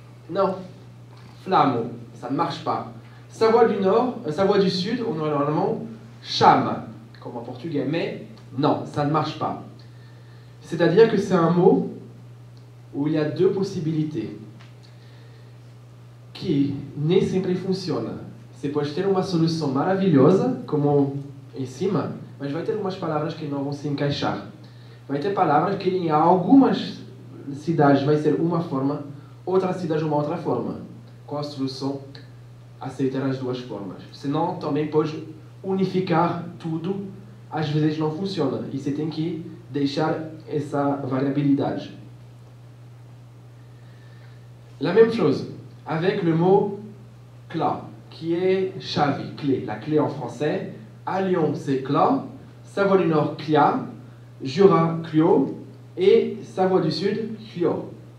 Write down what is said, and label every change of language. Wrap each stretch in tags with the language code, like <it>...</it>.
<fr>Non, flamme. Ça ne marche pas. Savoie du Nord, Savoie du Sud, on aurait normalement chame, comme en portugais. Mais non, ça ne marche pas. C'est-à-dire que c'est un mot où il y a deux possibilités qui ne</fr> <pt>sempre funcionam. Você pode ter uma solução maravilhosa, como em cima, mas vai ter algumas palavras que não vão se encaixar. Vai ter palavras que em algumas cidades vai ser uma forma, outra cidade uma outra forma. Qual a solução? Aceitar as duas formas. Senão também pode unificar tudo, às vezes não funciona. E você tem que deixar essa variabilidade.</pt> <fr>La même chose avec le mot clé, qui est chave, clé, la clé en français. À Lyon, c'est cla, Savoie du Nord, clia, Jura, clio, et Savoie du Sud, clio.</fr>